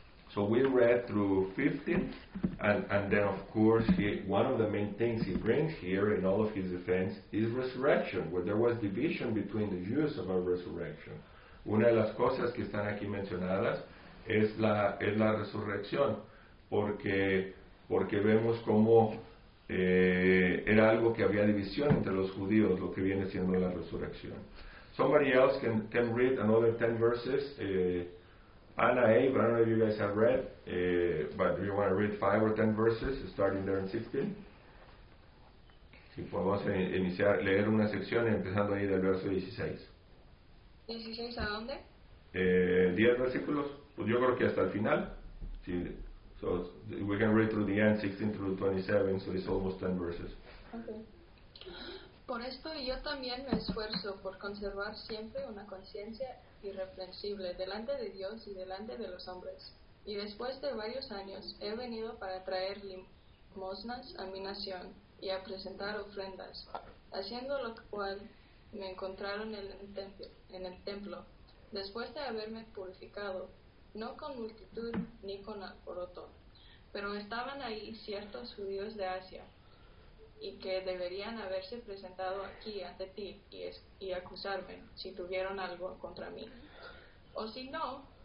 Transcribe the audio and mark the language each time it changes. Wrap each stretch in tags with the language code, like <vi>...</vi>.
<en>So we read through 15, and then of course one of the main things he brings here in all of his defense is resurrection, where there was division between the Jews about resurrection.</en> <es>Una de las cosas que están aquí mencionadas es la resurrección, porque vemos cómo era algo que había división entre los judíos, lo que viene siendo la resurrección.</es> <en>Somebody else can read another 10 verses. Anna Abe, I don't know if you guys have read, but do you want to read 5 or 10 verses starting there in 16?</en> <es>Si podemos iniciar, leer una sección empezando ahí del verso 16. ¿16 a dónde? 10 versículos. Pues yo creo que hasta el final. Sí.</es> <en>So we can read through the end, 16 through 27, so it's almost 10 verses. Okay.</en> <es>Por esto yo también me esfuerzo por conservar siempre una conciencia irreprensible delante de Dios y delante de los hombres. Y después de varios años he venido para traer limosnas a mi nación y a presentar ofrendas, haciendo lo cual me encontraron en el templo, después de haberme purificado, no con multitud ni con alboroto, pero estaban ahí ciertos judíos de Asia, y que deberían haberse presentado aquí ante ti y acusarme si tuvieron algo contra mí. O si no,</es>